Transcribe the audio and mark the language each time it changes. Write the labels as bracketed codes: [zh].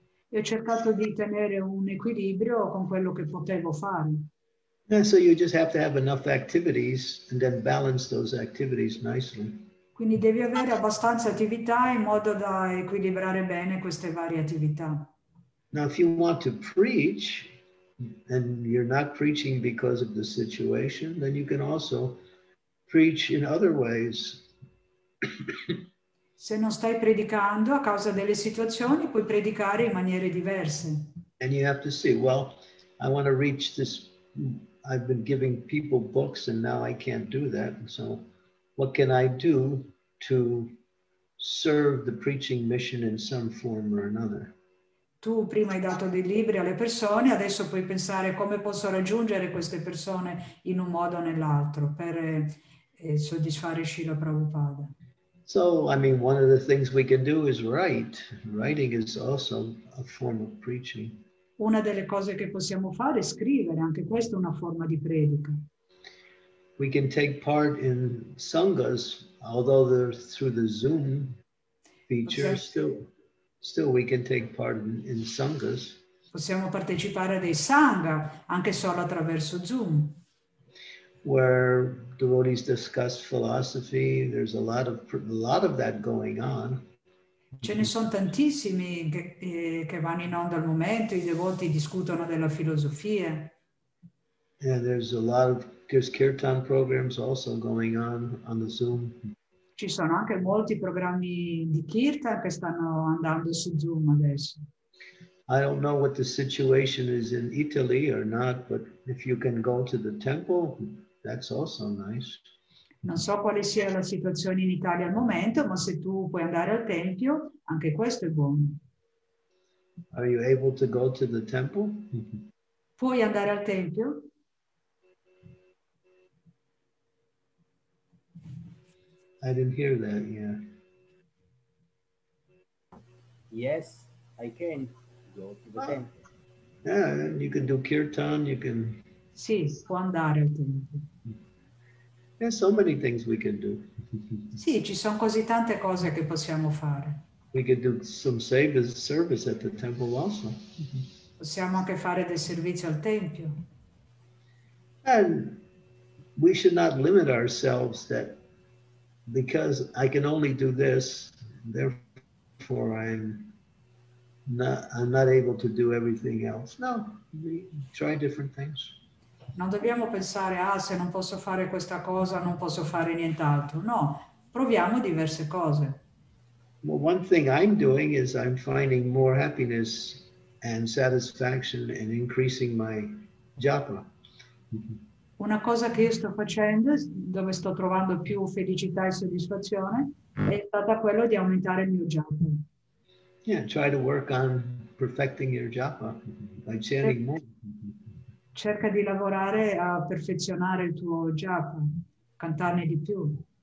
[it] E ho cercato di tenere un equilibrio con quello che potevo fare. [en] And so you just have to have enough activities and then balance those activities nicely. [it] Quindi devi avere abbastanza attività in modo da equilibrare bene queste varie attività. [en] Now if you want to preach and you're not preaching because of the situation, then you can also preach in other ways. [it] Se non stai predicando a causa delle situazioni, puoi predicare in maniere diverse. [en] And you have to see, well, I want to reach this, I've been giving people books and now I can't do that. So what can I do to serve the preaching mission in some form or another? [it] Tu prima hai dato dei libri alle persone, adesso puoi pensare come posso raggiungere queste persone in un modo o nell'altro per soddisfare Srila Prabhupada. [en] So, I mean, one of the things we can do is write. Writing is also a form of preaching. [it] Una delle cose che possiamo fare è scrivere, anche questa è una forma di predica. [en] We can take part in sanghas, although they're through the Zoom feature, still we can take part in sanghas. [it] Possiamo partecipare a dei sangha, anche solo attraverso Zoom. [en] Where devotees discuss philosophy, there's a lot of that going on. [it] Ce ne sono tantissimi che vanno in onda al momento, i devoti discutono della filosofia. [en] Yeah, there's kirtan programs also going on the Zoom. [it] Ci sono anche molti programmi di kirtan che stanno andando su Zoom adesso. [en] I don't know what the situation is in Italy or not, but if you can go to the temple, that's also nice. [it] Non so quale sia la situazione in Italia al momento, ma se tu puoi andare al tempio, anche questo è buono. [en] Are you able to go to the temple? [it] Puoi andare al tempio? [en] I didn't hear that, yeah. Yes, I can go to the temple. Yeah, and you can do kirtan, you can... [it] Sì, può andare al tempio. [en] There's so many things we can do. [it] Sì, ci sono così tante cose che possiamo fare. [en] We could do some service at the temple also. [it] Possiamo anche fare del servizio al tempio. [en] And we should not limit ourselves that because I can only do this, therefore I'm not able to do everything else. No, we try different things. [it] Non dobbiamo pensare, ah, se non posso fare questa cosa, non posso fare nient'altro. No, proviamo diverse cose. [en] Well, one thing I'm doing is I'm finding more happiness and satisfaction and increasing my japa. [it] Una cosa che io sto facendo, dove sto trovando più felicità e soddisfazione, è stata quello di aumentare il mio japa. [en] Yeah, try to work on perfecting your japa by chanting more. [it] Cerca di lavorare a perfezionare il tuo japa, cantarne di più.